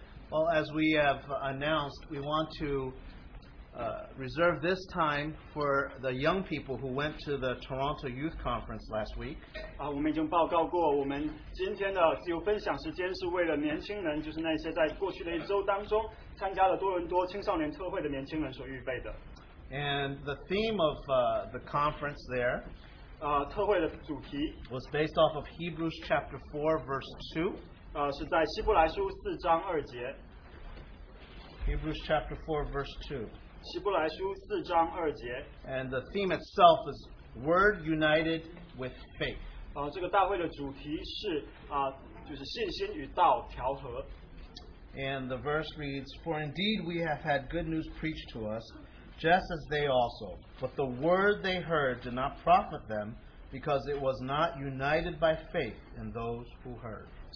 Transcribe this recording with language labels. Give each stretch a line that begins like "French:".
English: Well, as we have announced, we want to reserve this time for the young people who went to the Toronto Youth Conference last week.
Chinese: 我们已经报告过，我们今天的自由分享时间是为了年轻人，就是那些在过去的一周当中参加了多伦多青少年特会的年轻人所预备的。
English: And the theme of the conference there was based off of Hebrews chapter 4, verse 2.
Chinese: 是在希伯来书4章2节。
English: Hebrews chapter 4, verse 2.
Chinese: 希伯来书4章2节。
English: And the theme itself is Word United with Faith.
Chinese: 这个大会的主题是 就是信心与道调和。
English: And the verse reads, For indeed we have had good news preached to us, just as they also, but the word they heard did not profit them, because it was not united by faith in those who heard.